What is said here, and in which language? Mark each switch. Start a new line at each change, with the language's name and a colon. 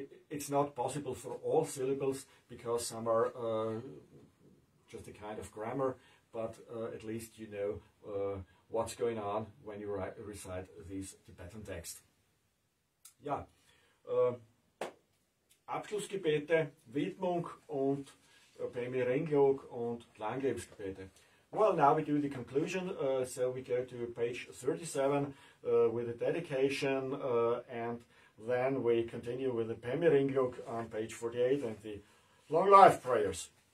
English: It's not possible for all syllables, because some are just a kind of grammar. But at least you know what's going on when you recite these Tibetan texts.
German: Ja, Abschlussgebete, Widmung und Pemi Renglok und Langlebensgebete.
English: Well, now we do the conclusion. So we go to page 37 with a dedication, and then we continue with the Pemi Renglok on page 48 and the long life prayers.